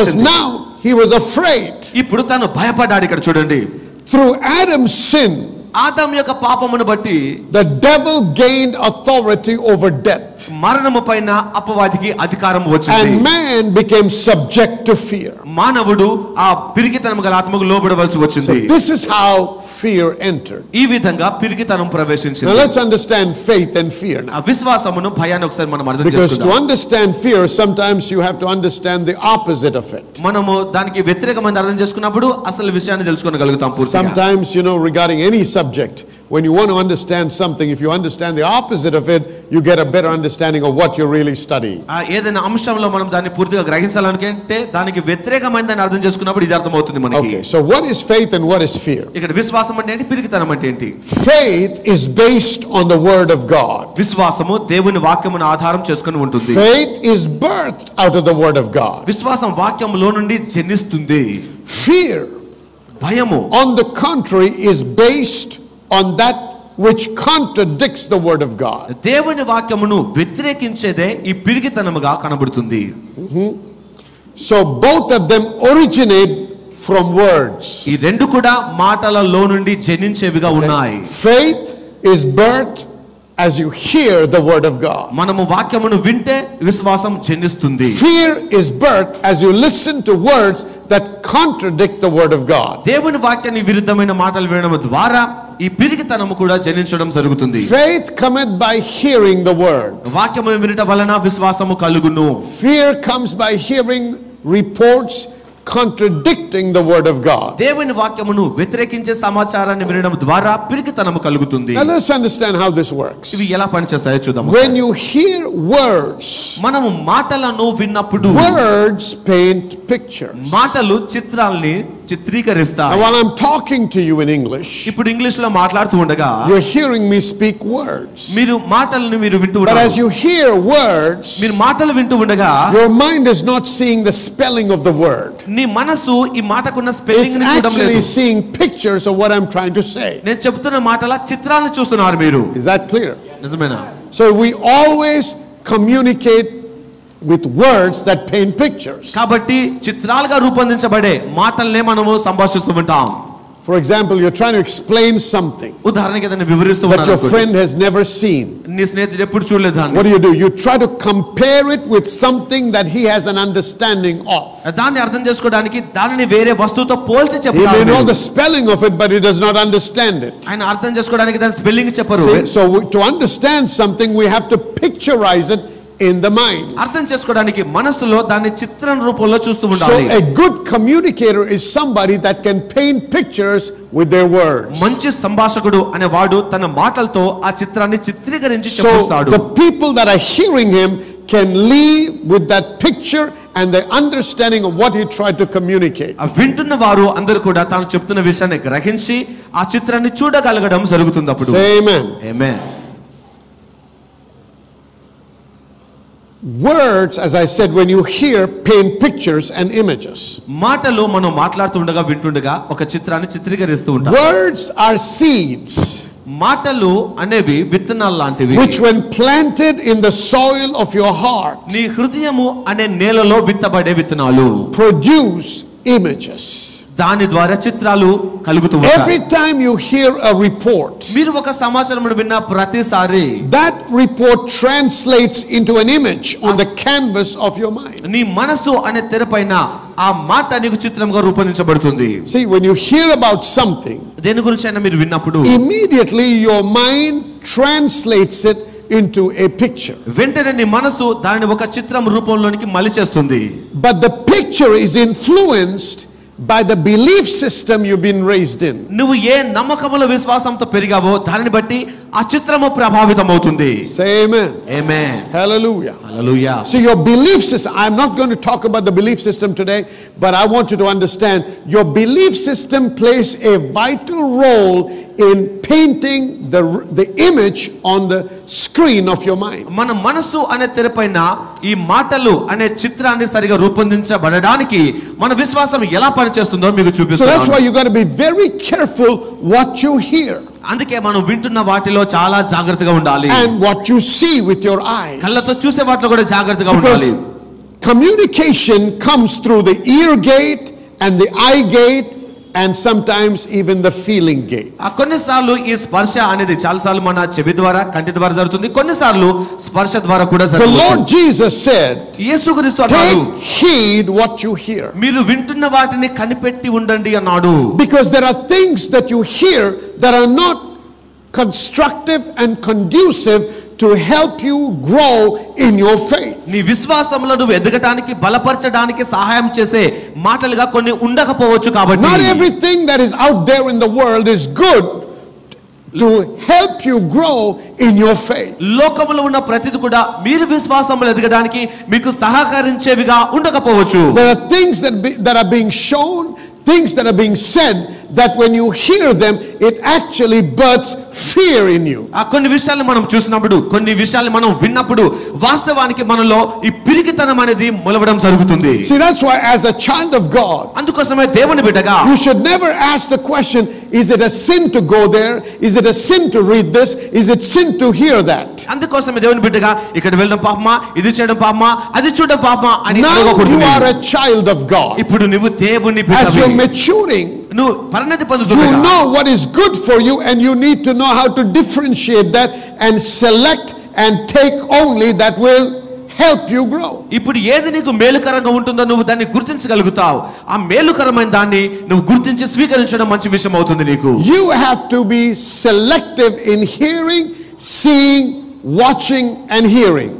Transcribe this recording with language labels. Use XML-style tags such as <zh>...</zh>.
<en>Because now he was afraid.</en> <te>Ippudu thanu bhayapadadu ikkada chudandi.</te> <en>Through Adam's sin</en> <te>ఆదాము యొక్క పాపమును బట్టి</te> <en>the devil gained authority over death.</en> <te>మరణము పైన అపవాదికి అధికారం వచ్చింది.</te> <en>And man became subject to fear.</en> <te>మానవుడు ఆ పిరికితనము గల ఆత్మకు లోబడవలసి వచ్చింది.</te> <en>So this is how fear entered.</en> <te>ఈ విధంగా పిరికితనం ప్రవేశించింది.</te> <en>Now let's understand faith and fear now.</en> <te>అవిశ్వాసమును భయాన్ని ఒకసారి మనం అర్థం చేసుకుందాం.</te> <en>Because to understand fear sometimes you have to understand the opposite of it.</en> <te>మనము దానికి వ్యతిరేకమైన అర్థం చేసుకున్నప్పుడు అసలు విషయాన్ని తెలుసుకోగలుగుతాం పూర్తిగా.</te> <en>Sometimes you know regarding any subject when you want to understand something if you understand the opposite of it you get a better understanding of what you're really studying.</en> <te>ఆ ఏదైన అంశంలో మనం దాన్ని పూర్తిగా గ్రహించాలనుకుంటే దానికి వ్యతిరేకమైన దాన్ని అర్థం చేసుకున్నప్పుడు ఇది అర్థమవుతుంది మనకి.</te> <en>Okay, so what is faith and what is fear?</en> <te>ఇక్కడ విశ్వాసం అంటే ఏంటి పిరికితనం అంటే ఏంటి?</te> <en>Faith is based on the word of God.</en> <te>విశ్వాసము దేవుని వాక్యమును ఆధారం చేసుకొని ఉంటుంది.</te> <en>Faith is birthed out of the word of God.</en> <te>విశ్వాసం వాక్యములో నుండి జనిస్తుంది.</te> <en>Fear</en> <te>భయము</te> <en>on the contrary is based on that which contradicts the word of God.</en> <te>దేవుని వాక్యమును విత్రేకించేదే ఈ పిరికితనముగా కనబడుతుంది.</te> <en>So both of them originate from words.</en> <te>ఈ రెండు కూడా మాటలలో నుండి జనించేవిగా ఉన్నాయి.</te> <en>Faith is birth as you hear the word of God.</en> <te>మనము వాక్యమును వింటే విశ్వాసం జనిస్తుంది.</te> <en>Fear is birth as you listen to words that contradict the word of God.</en> <te>దేవుని వాక్యానికి విరుద్ధమైన మాటలు వినడం ద్వారా ఈ పిరికితనము కూడా జనించడం జరుగుతుంది.</te> <en>Faith cometh by hearing the word.</en> <te>వాక్యమును వినుట వలన విశ్వాసము కలుగును.</te> <en>Fear comes by hearing reports contradicting the word of God.</en> <te>దేవుని వాక్యమును వ్యతిరేకించే సమాచారాన్ని వినడం ద్వారా పిరికితనము కలుగుతుంది.</te> <en>Now let's understand how this works.</en> <te>ఇది ఎలా పనిచేస్తాయో చూద్దాం.</te> <en>When you hear words,</en> <te>మనము మాటలను విన్నప్పుడు</te> <en>words paint pictures.</en> <te>మాటలు చిత్రాలను చిత్రీకరిస్తాయి.</te> <en>While I'm talking to you in English,</en> <te>ఇప్పుడు ఇంగ్లీష్ లో మాట్లాడుతూ ఉండగా</te> <en>you're hearing me speak words.</en> <te>మీరు మాటలను మీరు వింటూ ఉంటారు.</te> <en>But as you hear words,</en> <te>మీరు మాటలు వింటూ ఉండగా</te> <en>your mind is not seeing the spelling of the word.</en> <te>నీ మనసు ఈ మాటకున్న స్పెల్లింగ్ ని చూడడం లేదు.</te> <en>It's actually seeing pictures of what I'm trying to say.</en> <te>నేను చెప్తున్న మాటల చిత్రాలను చూస్తున్నారు మీరు.</te> <en>Is that clear?</en> <te>నిజమేనా?</te> <en>So we always communicate with words that paint pictures.</en> <te>కాబట్టి చిత్రాలుగా రూపొందించబడే మాటల్నే మనము సంభాషిస్తూ ఉంటాం.</te> <en>For example, you're trying to explain something.</en> <te>ఉదాహరణకి దాన్ని వివరిస్తూ ఉన్నారు.</te> <en>But your friend has never seen.</en> <te>నీ స్నేహితుడు ఎప్పుడు చూడలేదు దాన్ని.</te> <en>What do? You try to compare it with something that he has an understanding of.</en> <te>దాన్ని అర్థం చేసుకోవడానికి దానిని వేరే వస్తువుతో పోల్చి చెప్తాడు.</te> <en>He may know the spelling of it but he does not understand it.</en> <te>ఆయన అర్థం చేసుకోవడానికి దాని స్పెల్లింగ్ చెప్పరు.</te> <en>So to understand something we have to picturize it in the mind.</en> <te>అర్థం చేసుకోవడానికి మనసులో దాని చిత్రం రూపంలో చూస్తూ ఉండాలి.</te> <en>So a good communicator is somebody that can paint pictures with their words.</en> <te>మంచి సంభాషకుడు అనేవాడు తన మాటలతో ఆ చిత్రాన్ని చిత్రీకరించి చెప్పుస్తాడు.</te> <en>So the people that are hearing him can leave with that picture and the understanding of what he tried to communicate.</en> <te>వింటున్న వారు అందరూ కూడా తాను చెప్తున్న విషయాన్ని గ్రహించి ఆ చిత్రాన్ని చూడగలగడం జరుగుతుంది అప్పుడు.</te> <en>Amen. Amen. Words, as I said, when you hear, paint pictures and images.</en> <te>మాటలు మనం మాట్లాడుతుండగా వింటుండగా ఒక చిత్రాన్ని చిత్రీకరిస్తూ ఉంటాం.</te> <en>Words are seeds.</en> <te>మాటలు అనేవి విత్తనాలు లాంటివి.</te> <en>Which when planted in the soil of your heart,</en> <te>నీ హృదయము అనే నేలలో విత్తబడే విత్తనాలు.</te> <en>Produce images.</en> <te>దాని ద్వారా చిత్రాలు కలుగుతూ ఉంటాయి.</te> <en>Every time you hear a report,</en> <te>మీరు ఒక సమాచారం విన్న ప్రతిసారి,</te> <en>that report translates into an image on the canvas of your mind.</en> <te>నీ మనసు అనే తెరపైన ఆ మాట నీకు చిత్రంగా రూపొందించబడుతుంది.</te> <en>See, when you hear about something,</en> <te>దేని గురించైనా మీరు విన్నప్పుడు,</te> <en>immediately your mind translates it into a picture.</en> <te>వెంటనే నీ మనసు దానిని ఒక చిత్రం రూపంలోకి మలిచేస్తుంది.</te> <en>But the picture is influenced by the belief system you've been raised in.</en> <te>నువ్వు ఏ నమ్మకముల విశ్వాసంతో పెరిగావో దానిని బట్టి ఆ చిత్రము ప్రభావితమవుతుంది.</te> <en>Amen. Amen. Hallelujah. Hallelujah. So your belief system, I'm not going to talk about the belief system today, but I want you to understand your belief system plays a vital role in painting the image on the screen of your mind.</en> <te>మన మనసు అనే తెరపైన ఈ మాటలు అనే చిత్రాన్ని సరిగా రూపొందించబడడానికి మన విశ్వాసం ఎలా పనిచేస్తుందో మీకు చూపిస్తాను.</te> <en>So that's why you got to be very careful what you hear.</en> <te>అందుకే మనం వింటున్న వాటిలో చాలా జాగ్రత్తగా ఉండాలి.</te> <en>And what you see with your eyes.</en> <te>కళ్ళతో చూసే వాటిలో కూడా జాగ్రత్తగా ఉండాలి.</te> <en>Communication comes through the ear gate and the eye gate and sometimes even the feeling gate.</en> <te>కొన్ని సార్లు ఈ స్పర్శ అనేది చాలా సార్లు మన చెవి ద్వారా కంటి ద్వారా జరుగుతుంది. కొన్ని సార్లు స్పర్శ ద్వారా కూడా జరుగుతుంది.</te> <en>The Lord Jesus said,</en> <te>యేసుక్రీస్తు అన్నాడు,</te> <en>take heed what you hear.</en> <te>మీరు వింటున్న వాటిని కనిపెట్టి ఉండండి అన్నాడు.</te> <en>Because there are things that you hear that are not constructive and conducive to help you grow in your faith.</en> <te>నీ విశ్వాసములను ఎదగడానికి బలపరచడానికి సహాయం చేసే మాటలుగా కొన్ని ఉండకపోవచ్చు కాబట్టి.</te> <en>Not everything that is out there in the world is good to help you grow in your faith.</en> <te>లోకములో ఉన్న ప్రతిది కూడా మీరు విశ్వాసములో ఎదగడానికి మీకు సహకరించేవిగా ఉండకపోవచ్చు.</te> <en>There are things that are being shown, things that are being said, that when you hear them it actually births fear in you.</en> <te>కొన్ని విషయాలు మనం చూసినప్పుడు, కొన్ని విషయాలు మనం విన్నప్పుడు వాస్తవానికి మనలో ఈ పిరికితనం అనేది మొలవడం జరుగుతుంది.</te> <en>See, that's why as a child of God,</en> <te>అందుకోసమే దేవుని బిడ్డగా,</te> <en>you should never ask the question, is it a sin to go there, is it a sin to read this, is it sin to hear that.</en> <te>అందుకోసమే దేవుని బిడ్డగా, ఇక్కడ వెళ్ళడం పాపమా, ఇది చేయడం పాపమా, అది చూడడం పాపమా అని అడగకూడదు.</te> <en>You are a child of God.</en> <te>ఇప్పుడు నువ్వు దేవుని బిడ్డవి.</te> <en>As you're maturing,</en> <te>no parinati pandutunna,</te> <en>you know what is good for you and you need to know how to differentiate that and select and take only that will help you grow.</en> <te>ఇప్పుడు ఏది నీకు మేలుకరంగా ఉంటుందో నువ్వు దాన్ని గుర్తించగలుగుతావు. ఆ మేలుకరమైన దాన్ని నువ్వు గుర్తించి స్వీకరించడం మంచి విషయం అవుతుంది నీకు.</te> <en>You have to be selective in hearing, seeing, watching and hearing.</en>